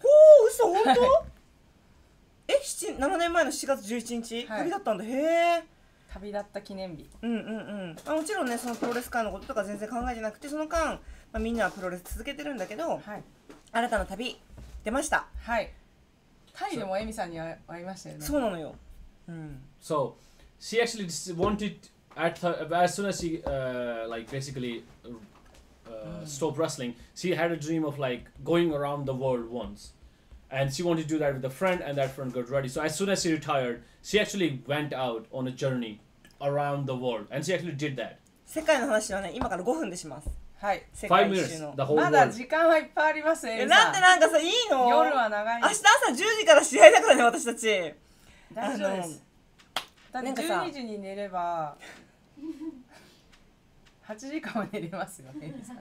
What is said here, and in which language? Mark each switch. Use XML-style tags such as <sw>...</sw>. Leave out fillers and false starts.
<ja>ほう嘘本当、はい、え7年前の7月11日、はい、旅立ったんだへえ旅立った記念日うんうんうん、まあ、もちろんねそのプロレス界のこととか全然考えてなくてその間、まあ、みんなはプロレス続けてるんだけど、はい、新たな旅出ましたはいタイでもエミさんに会いましたよねそうなのようん</ja> <en>So she actually just wantedas soon as she like basically stopped wrestling, she had a dream of like going around the world once, and she wanted to do that with a friend, and that friend got ready. So as soon as she retired, she actually went out on a journey around the world, and she actually did that.</en> <ja>世界の話はね、今から5分でします。はい。</ja> <en>5 minutes. The whole world.</en> <ja>まだ時間はいっぱいあります。え、なんでなんかさいいの？夜は長い。明日朝10時から試合だからね、私たち。大丈夫です。だって12時に寝れば8時間は寝れますよね。</ja>